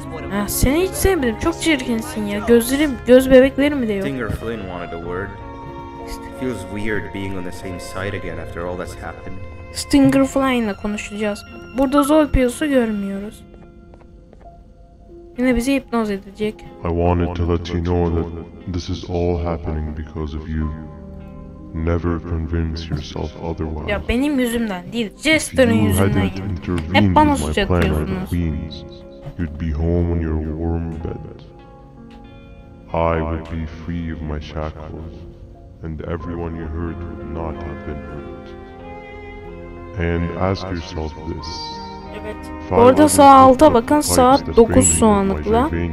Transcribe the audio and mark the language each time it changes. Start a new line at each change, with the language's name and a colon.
Turkish: Ha, seni hiç sevmedim. Çok çirkinsin ya. Gözlerim, göz bebeklerim de yok.
English: Stinger Flynn wanted a word. It feels weird being on the same side again after all that's happened.
Turkish: Stinger Flynn'la konuşacağız. Burada Zolpius'u görmüyoruz. Yine bizi hipnoz edecek.
English: I wanted to let you know that this is all happening because of you. Never convince yourself otherwise.
Turkish: Ya benim yüzümden değil, Jester'ın yüzünden. Hep bana suçlatıyorsunuz.
English: You'd be home in your warm bed. I would be free of my shackles, and everyone you hurt would not have been hurt. And ask yourself this.
Turkish: Bu arada sağ alta bakın, saat 9 şu anlıkla.